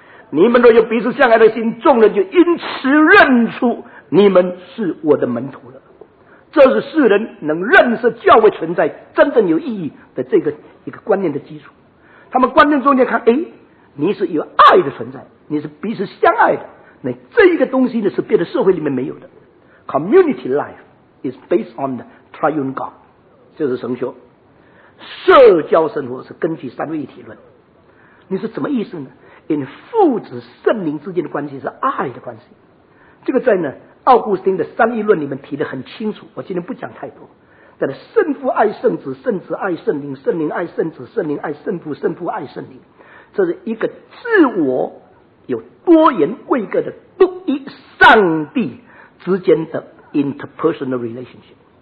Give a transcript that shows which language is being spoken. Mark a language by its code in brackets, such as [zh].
[zh] 你们若有彼此相爱的心，众人就因此认出你们是我的门徒了。这是世人能认识教会存在真正有意义的这个一个观念的基础。他们观念中间看，哎，你是有爱的存在，你是彼此相爱的，那这一个东西呢是别的社会里面没有的。 [en] Community life is based on the triune God， [zh] 就是神学。社交生活是根据三位一体论。你是什么意思呢？因父子圣灵之间的关系是爱的关系。这个在呢奥古斯丁的三义论里面提得很清楚，我今天不讲太多。但是圣父爱圣子，圣子爱圣灵，圣灵爱圣子，圣灵爱圣父，圣父爱圣灵，这是一个自我有多元位格的独一上帝之间的 interpersonal relationship。